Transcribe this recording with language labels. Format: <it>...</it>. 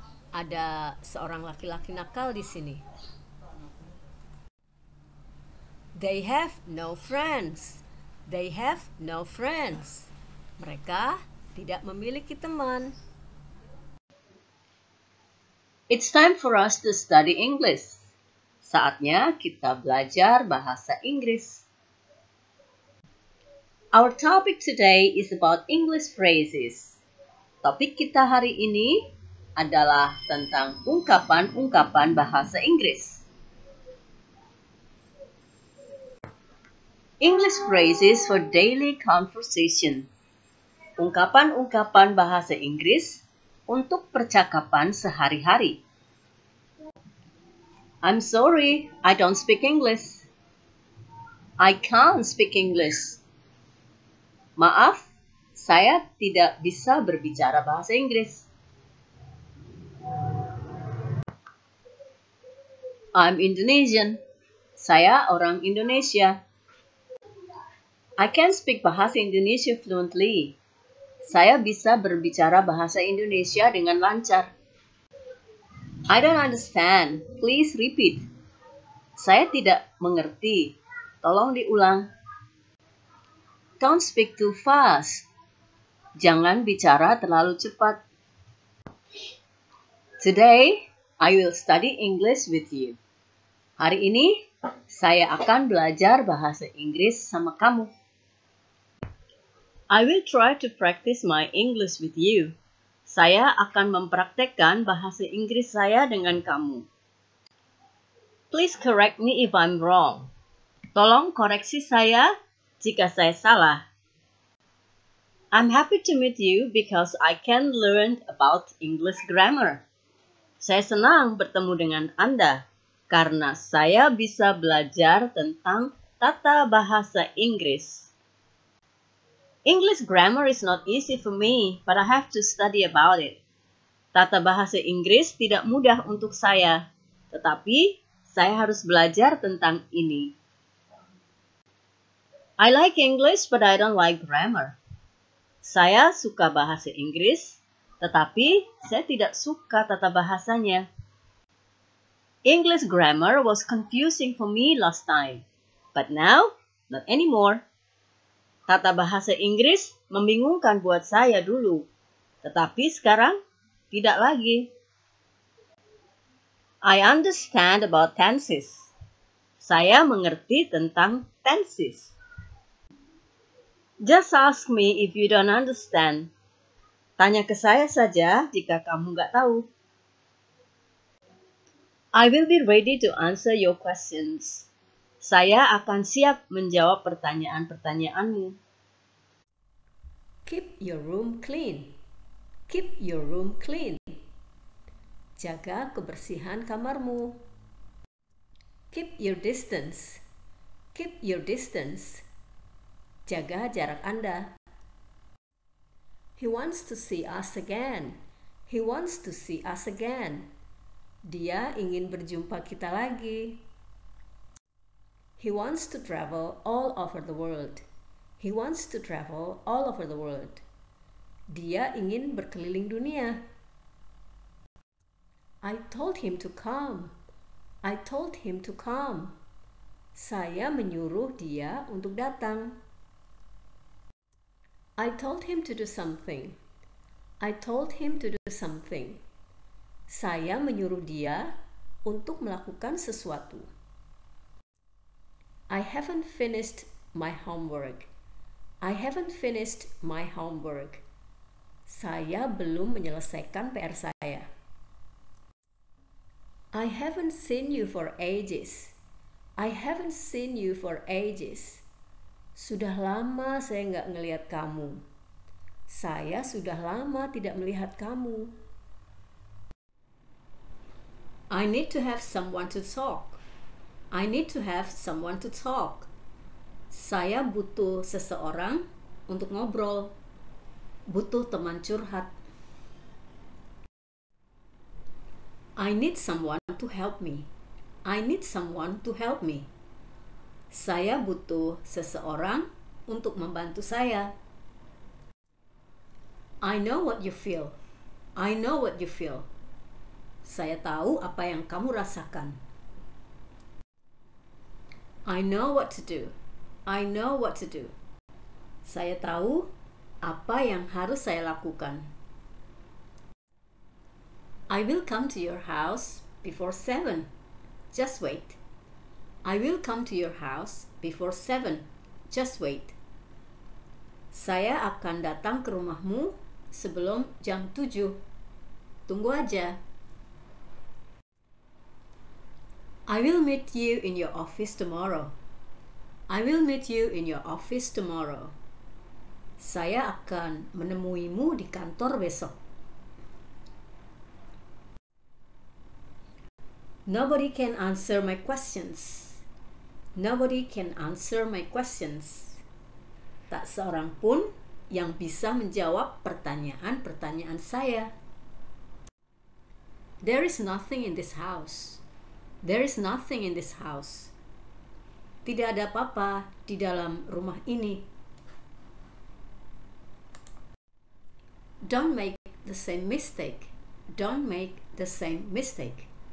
<id>Ada seorang laki-laki nakal di sini.</id> <en>They have no friends. They have no friends.</en> <id>Mereka tidak memiliki teman.</id> <en>It's time for us to study English.</en> <id>Saatnya kita belajar bahasa Inggris.</id> <en>Our topic today is about English phrases.</en> <id>Topik kita hari ini adalah tentang ungkapan-ungkapan bahasa Inggris.</id> <en>English phrases for daily conversation.</en> <id>Ungkapan-ungkapan bahasa Inggris untuk percakapan sehari-hari.</id> <en>I'm sorry, I don't speak English. I can't speak English.</en> <id>Maaf, saya tidak bisa berbicara bahasa Inggris.</id> <en>I'm Indonesian.</en> <id>Saya orang Indonesia.</id> <en>I can speak bahasa Indonesia fluently.</en> <id>Saya bisa berbicara bahasa Indonesia dengan lancar.</id> <en>I don't understand. Please repeat.</en> <id>Saya tidak mengerti. Tolong diulang.</id> <en>Don't speak too fast.</en> <id>Jangan bicara terlalu cepat.</id> <en>Today, I will study English with you.</en> <id>Hari ini, saya akan belajar bahasa Inggris sama kamu.</id> <en>I will try to practice my English with you.</en> <id>Saya akan mempraktikkan bahasa Inggris saya dengan kamu.</id> <en>Please correct me if I'm wrong.</en> <id>Tolong koreksi saya jika saya salah.</id> <en>I'm happy to meet you because I can learn about English grammar.</en> <id>Saya senang bertemu dengan Anda karena saya bisa belajar tentang tata bahasa Inggris.</id> <en>English grammar is not easy for me, but I have to study about it.</en> <id>Tata bahasa Inggris tidak mudah untuk saya, tetapi saya harus belajar tentang ini.</id> <en>I like English, but I don't like grammar.</en> <id>Saya suka bahasa Inggris, tetapi saya tidak suka tata bahasanya.</id> <en>English grammar was confusing for me last time, but now not anymore.</en> <id>Tata bahasa Inggris membingungkan buat saya dulu, tetapi sekarang tidak lagi.</id> <en>I understand about tenses.</en> <id>Saya mengerti tentang tenses.</id> <en>Just ask me if you don't understand.</en> <id>Tanya ke saya saja jika kamu enggak tahu.</id> <en>I will be ready to answer your questions.</en> <id>Saya akan siap menjawab pertanyaan-pertanyaanmu.</id> <en>Keep your room clean. Keep your room clean.</en> <id>Jaga kebersihan kamarmu.</id> <en>Keep your distance. Keep your distance.</en> <id>Jaga jarak Anda.</id> <en>He wants to see us again. He wants to see us again.</en> <id>Dia ingin berjumpa kita lagi.</id> <en>He wants to travel all over the world. He wants to travel all over the world.</en> <id>Dia ingin berkeliling dunia.</id> <en>I told him to come. I told him to come.</en> <id>Saya menyuruh dia untuk datang.</id> <en>I told him to do something. I told him to do something.</en> <id>Saya menyuruh dia untuk melakukan sesuatu.</id> <en>I haven't finished my homework. I haven't finished my homework.</en> <id>Saya belum menyelesaikan PR saya.</id> <en>I haven't seen you for ages. I haven't seen you for ages.</en> <id>Sudah lama saya enggak melihat kamu. Saya sudah lama tidak melihat kamu.</id> <en>I need to have someone to talk. I need to have someone to talk.</en> <id>Saya butuh seseorang untuk ngobrol. Butuh teman curhat.</id> <en>I need someone to help me. I need someone to help me.</en> <id>Saya butuh seseorang untuk membantu saya.</id> <en>I know what you feel. I know what you feel.</en> <id>Saya tahu apa yang kamu rasakan.</id> <en>I know what to do. I know what to do.</en> <id>Saya tahu apa yang harus saya lakukan.</id> <en>I will come to your house before 7. Just wait. I will come to your house before 7. Just wait.</en> <id>Saya akan datang ke rumahmu sebelum jam 7. Tunggu aja.</id> <en>I will meet you in your office tomorrow. I will meet you in your office tomorrow.</en> <id>Saya akan menemuimu di kantor besok.</id> <en>Nobody can answer my questions. Nobody can answer my questions.</en> <id>Tak seorang pun yang bisa menjawab pertanyaan-pertanyaan saya.</id> <en>There is nothing in this house. There is nothing in this house.</en> <id>Tidak ada apa-apa di dalam rumah ini.</id> <en>Don't make the same mistake. Don't make the same mistake.</en>